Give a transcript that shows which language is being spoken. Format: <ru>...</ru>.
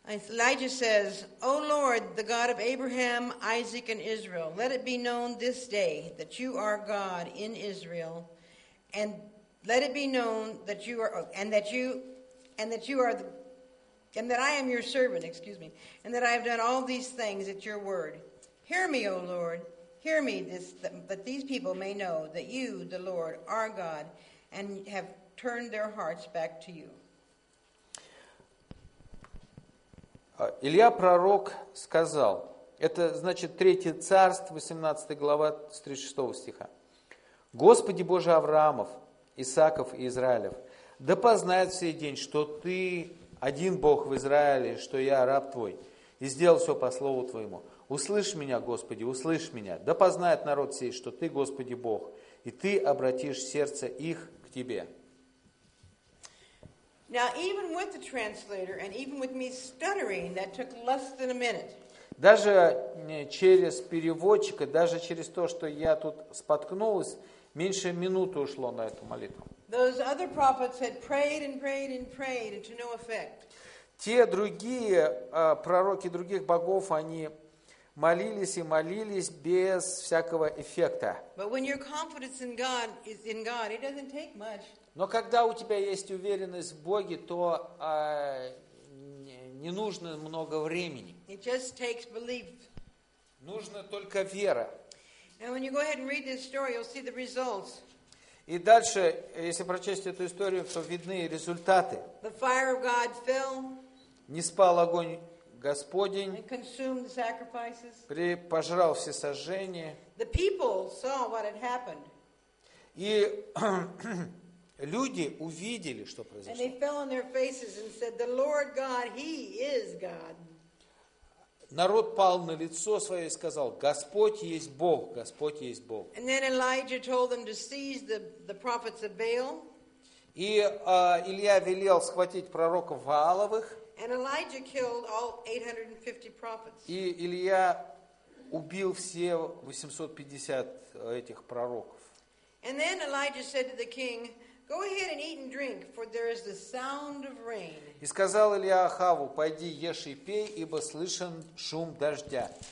<en>Elijah says, O Lord, the God of Abraham, Isaac, and Israel, let it be known this day that you are God in Israel, and let it be known that you are, and that I am your servant, and that I have done all these things at your word. Hear me, O Lord, hear me, that these people may know that you, the Lord, are God, and have turned their hearts back to you.</en> <ru>Илья пророк сказал, это значит Третье Царство, 18 глава, 36 стиха. Господи Боже Авраамов, Исааков и Израилев, да познает сей день, что ты один Бог в Израиле, что я раб твой, и сделал все по слову твоему. Услышь меня, Господи, услышь меня, да познает народ сей, что ты, Господи, Бог, и ты обратишь сердце их к тебе.</ru> <en>Now, even with the translator and even with me stuttering, that took less than a minute.</en> <ru>Даже через переводчика, даже через то, что я тут споткнулась, меньше минуты ушло на эту молитву.</ru> <en>Those other prophets had prayed and prayed and prayed and to no effect.</en> <ru>Те другие пророки других богов, они молились и молились без всякого эффекта.</ru> <en>But when your confidence in God is in God, it doesn't take much.</en> <ru>Но когда у тебя есть уверенность в Боге, то не нужно много времени.</ru> <en>It just takes belief.</en> <ru>Нужна только вера.</ru> <en>And when you go ahead and read this story, you'll see the results.</en> <ru>И дальше, если прочесть эту историю, то видны результаты.</ru> <en>The fire of God fell.</en> <ru>Не спал огонь Господень.</ru> <en>And consumed the sacrifices.</en> <ru>Пожрал все сожжения.</ru> <en>The people saw what had happened.</en> <ru>И люди увидели, что произошло.</ru> <en>And they fell on their faces and said, "The Lord God, He is God."</en> <ru>Народ пал на лицо свое и сказал, Господь есть Бог, Господь есть Бог.</ru> <en>And then Elijah told them to seize the prophets of Baal.</en> <ru>И Илья велел схватить пророков Вааловых.</ru> <en>And Elijah killed all 850 prophets.</en> <ru>И Илья убил все 850 этих пророков.</ru> <en>And then Elijah said to the king, go ahead and eat and drink, for there is the sound of rain.</en> <ru>И сказал Илья Ахаву, пойди ешь и пей, ибо слышен шум дождя.</ru>